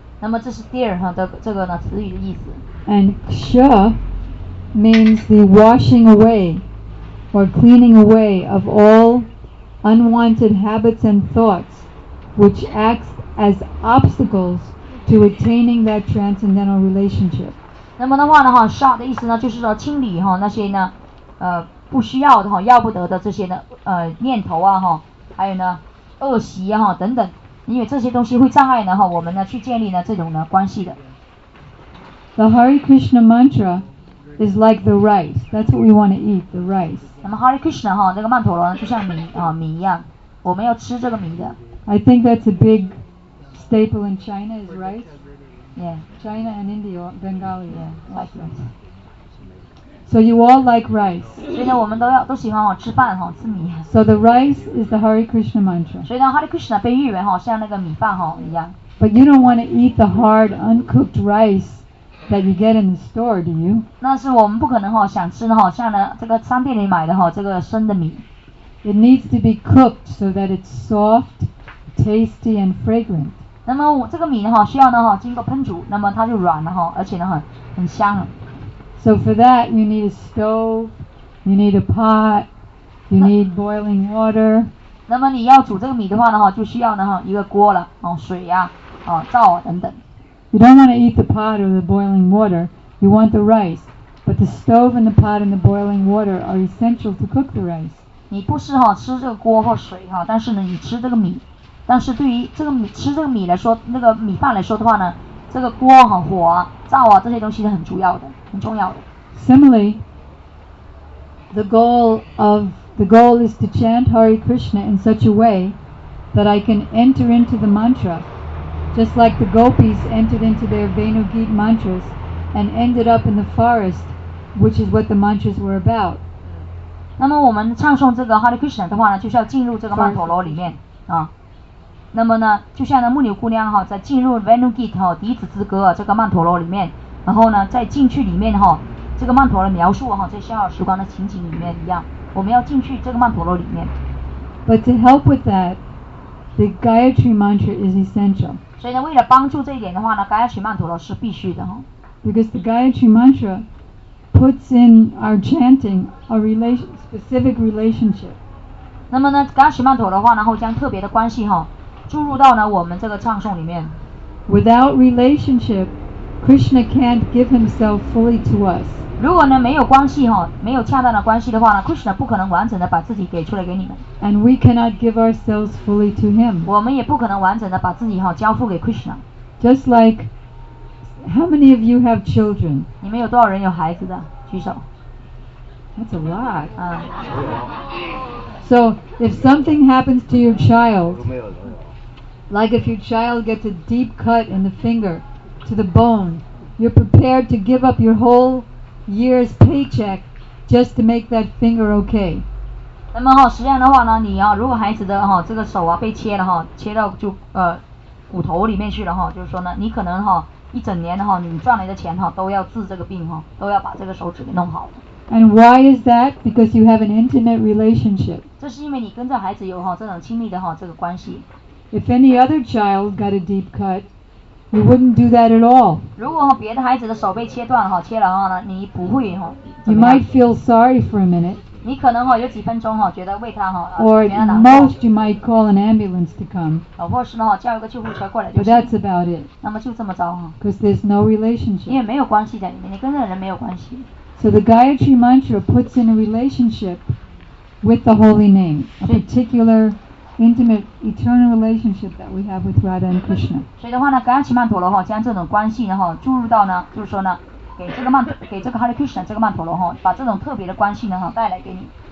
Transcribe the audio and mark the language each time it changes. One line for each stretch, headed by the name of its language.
Chinese: 那么这是 dear 的这个呢词语的意思。
English: And ksha. Means the washing away or cleaning away of all unwanted habits and thoughts which acts as obstacles to attaining that transcendental relationship.
Chinese: 那么的话呢 ,sha 的意思呢就是说清理那些呢不需要的要不得的这些呢念头还有呢恶习等等，因为这些东西会障碍呢我们呢去建立呢这种呢关系的。
English: The Hare Krishna mantraIs like the rice. That's what we want to eat. The rice.
Chinese: 那么 Hare Krishna 哈，那个曼陀罗就像米一样，我们要吃这个米的。
English: I think that's a big staple in China is rice. Yeah. China and India, Bengali. Yeah. Like rice. So you all like rice.
Chinese: 所以呢，我们都喜欢吃饭吃米。
English: So the rice is the Hare Krishna mantra.
Chinese: 所以呢 ，Hare Krishna 被誉为像那个米饭一样。
English: But you don't want to eat the hard, uncooked rice. That you get in the store, do you?
Chinese: 那是我们不可能想吃的像呢这个商店里买的这个生的米。
English: It needs to be cooked so that it's soft, tasty, and fragrant.
Chinese: 那么这个米呢需要呢经过烹煮，那么它就软了而且呢很香。
English: So for that, you need a stove, you need a pot, you need boiling water.
Chinese: 那么你要煮这个米的话呢就需要呢一个锅了水呀灶等等。
English: You don't want to eat the pot or the boiling water. You want the rice, but the stove and the pot and the boiling water are essential to cook the rice.
Chinese: 你不是吃这个锅或水但是呢你吃这个米，但是对于这个米吃这个米来说，那个米饭来说的话呢，这个锅火灶这些东西是很重要的，很重要的。
English: Similarly, the goal is to chant Hare Krishna in such a way that I can enter into the mantra. Just like the gopis entered into their Venugita mantras and ended up in the forest, which is what the mantras were about.
Chinese: 那么我们唱诵这个 Hare Krishna 的话呢，就是要进入这个曼陀罗里面啊。那么呢，就像呢木牛姑娘在进入 Venugita 笛子之歌这个曼陀罗里面，然后呢再进去里面这个曼陀罗描述在逍遥时光的情景里面一样，我们要进去这个曼陀罗里面。
English: But to help with that, the Gayatri mantra is essential.
Chinese: 所以呢，为了帮助这一点的话呢，盖亚曲曼陀罗是必须的。
English: Because the Gayatri mantra puts in our chanting a specific relationship.
Chinese: 那么呢，盖亚曲曼陀罗的话呢，会将特别的关系注入到呢我们这个唱诵里面。
English: Without relationship, Krishna can't give himself fully to us.
Chinese: 如果呢没有关系哈，没有恰当的关系的话呢 ，Krishna 不可能完整的把自己给出来给你们。
English: And we cannot give ourselves fully to him.
Chinese: 我们也不可能完整的把自己哈交付给 Krishna.
English: Just like, how many of you have children?
Chinese: 你们有多少人有孩子的？举手。
English: That's a lot. So if something happens to your child, like if your child gets a deep cut in the finger to the bone, you're prepared to give up your whole year's paycheck just to make that finger okay.
Chinese: 那么哈，实际上的话呢，你啊，如果孩子的哈这个手啊被切了哈，切到就骨头里面去了哈，就是说呢，你可能哈一整年的哈，你赚来的钱哈都要治这个病哈，都要把这个手指给弄好。
English: And why is that? Because you have an intimate relationship.
Chinese: 这是因为你跟这孩子有哈这种亲密的哈这个关系。
English: If any other child got a deep cut, you wouldn't do that at all.
Chinese: 如果别的孩子的手被切断哈，切了哈呢，你不会哈。
English: You might feel sorry for a minute.
Chinese: 你可能哈有几分钟哈觉得为他哈。
English: Or most you might call an ambulance to come.
Chinese: 或是呢哈叫一个救护车过来就行。
English: But that's about it.
Chinese: 那么就这么着哈。
English: Because there's no relationship.
Chinese: 因为没有关系在里面，你跟这人没有关系。
English: So the Gayatri Mantra puts in a relationship with the holy name, a particular, intimate, eternal relationship that we have with Radha and Krishna.
Chinese: 所以的话呢，Gayatri Mantra哈将这种关系呢哈注入到呢，就是说呢，给这个曼给这个 Hare Krishna 这个曼陀罗哈，把这种特别的关系呢哈带来给你。